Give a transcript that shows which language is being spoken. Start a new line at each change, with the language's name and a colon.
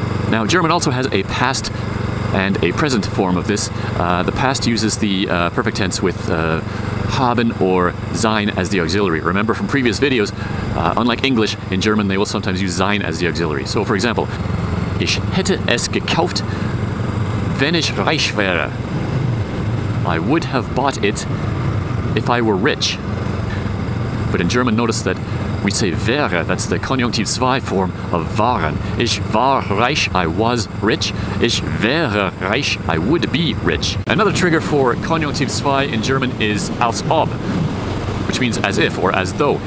English: Now, German also has a past and a present form of this. The past uses the perfect tense with haben or sein as the auxiliary. Remember from previous videos, unlike English, in German they will sometimes use sein as the auxiliary. So for example,
German: ich hätte es gekauft, wenn ich reich wäre.
English: I would have bought it if I were rich. But in German, notice that we say wäre, that's the Konjunktiv II form of waren.
German: Ich war reich,
English: I was rich.
German: Ich wäre reich,
English: I would be rich. Another trigger for Konjunktiv II in German is als ob, which means as if or as though.